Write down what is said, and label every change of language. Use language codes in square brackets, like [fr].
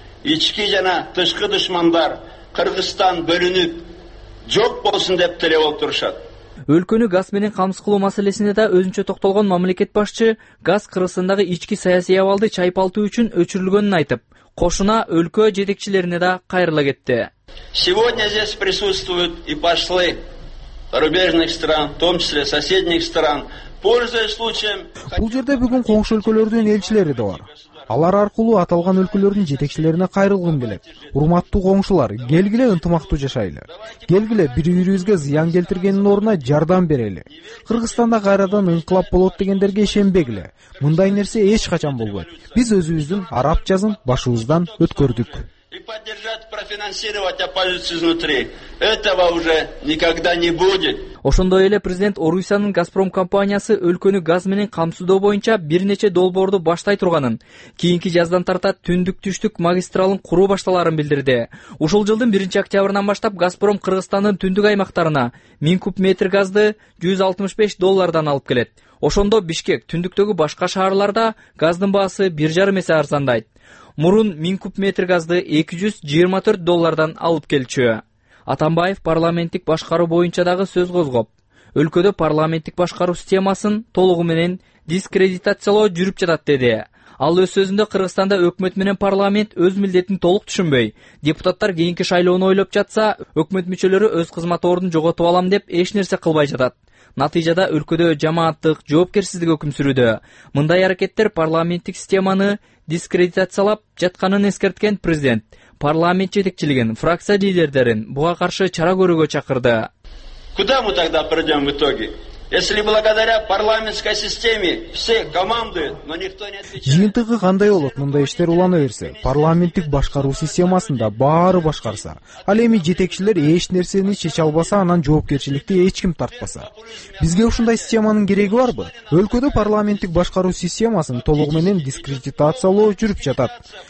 [ky] Ички жана тышкы душмандар Кыргызстан бөлүнүп жок болсун деп тилеп отурушат. Өлкөнү газ менен камсыз кылуу маселесинде да өзүнчө токтолгон мамлекет башчы газ кырысындагы ички саясий абалды чайпалтуу үчүн өчүрүлгөнүн айтып, кошуна өлкө жетекчилерине да кайрыла кетти. [ru] Сегодня здесь присутствуют и пошли зарубежных стран, в том числе соседних стран, пользуясь случаем. [ky] Бул жерде бүгүн коңшу өлкөлөрдүн элчилери да бар. Алар аркылуу аталган өлкөлөрдүн жетекчилерине кайрылгым келет. Урматтуу коңшулар, келгиле ынтымактуу жашайлы. Келгиле бири-бирибизге зыян келтиргендин ордуна жардам берели. Кыргызстанда кайрадан инкылап болот дегендерге ишенбегиле. Мындай нерсе эч качан болбойт. Биз өзүбүздүн араб жазын башыбыздан өткөрдүк. [ru] И поддержать, профинансировать оппозицию изнутри. Этого уже никогда не будет. [ky] Ошондой эле президент Орусиянын Газпром компаниясы өлкөнү газ менен камсыздоо боюнча бир нече долбоорду баштай турганын, кийинки жаздан тарта түндүк түштүк магистралын куруу башталарын билдирди. Ушул жылдын 1 октябрынан баштап Газпром Кыргызстандын түндүк аймактарына 1000 куб метр газды 165 доллардан алып келет. Ошондо Бишкек, түндүктөгү башка шаарларда газдын баасы 1.5 эсе арзандайт. Мурун 1000 куб метр газды 224 доллардан алып келчү. Атамбаев парламенттик башкаруу боюнча дагы сөз козгоп, өлкөдө парламенттик башкаруу системасын толугу менен дискредитациялоо жүрүп жатат, деди. Ал өз сөзүндө Кыргызстанда өкмөт менен парламент өз милдетин толук түшүнбөй, депутаттар кийинки шайлоону ойлоп жатса, өкмөт мүчөлөрү өз кызмат ордун жоготуп алам деп эч нерсе кылбай жатат. Натыйжада өлкөдө жамааттык жоопкерсиздик өкүм сүрүүдө. Мындай аракеттер парламенттик системаны дискредитациялап жатканын эскерткен президент парламент жетекчилигин, фракция лидерлерин буга каршы чара көрүүгө чакырды. [ru] Куда мы тогда придем в итоге? Если благодаря парламентской системе все командуют, но никто не отвечает. [ky] Жыйынтыгы кандай болот? Мындай иштер улана берсе, парламенттик башкаруу системасында баары башкарса, ал эми жетекчилер эч нерсени чече албаса, анан жоопкерчиликти эч ким тартпаса. Бизге ушундай системанын кереги барбы? Өлкөдө парламенттик башкаруу системасын толугу менен дискредитациялоо жүрүп жатат.